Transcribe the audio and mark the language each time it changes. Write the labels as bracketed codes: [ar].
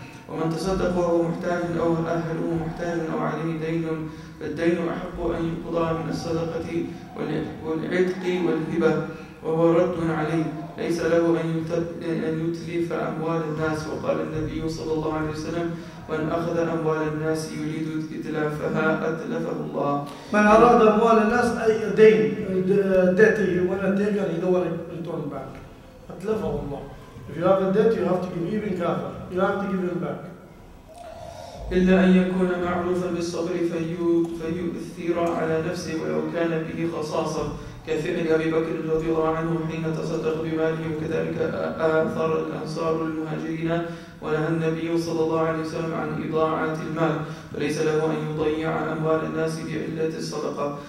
[ar] ومن تصدق وهو محتاج أو أهله محتاج أو عليه دين فالدين أحق أن يقضى من الصدقة والعتق والهبة وهو رد عليه ليس له أن يتلف أموال الناس. وقال النبي صلى الله عليه وسلم من أخذ أموال الناس يريد إتلافها أتلفه الله. من أراد أموال الناس أي دين داته ونتيجه يدور [en] return back. [ar] أتلفه الله. [en] If you have a debt, you have to give even kafir. You have to give him back. [ar] إلا أن يكون معروفا بالصبر فيؤثر على نفسه ولو كان به خصاصة كفعل أبي بكر رضي الله عنه حين تصدق بماله وكذلك آثر الأنصار المهاجرين ونهى النبي صلى الله عليه وسلم عن إضاعة المال فليس له أن يضيع أموال الناس بعلة الصدقة.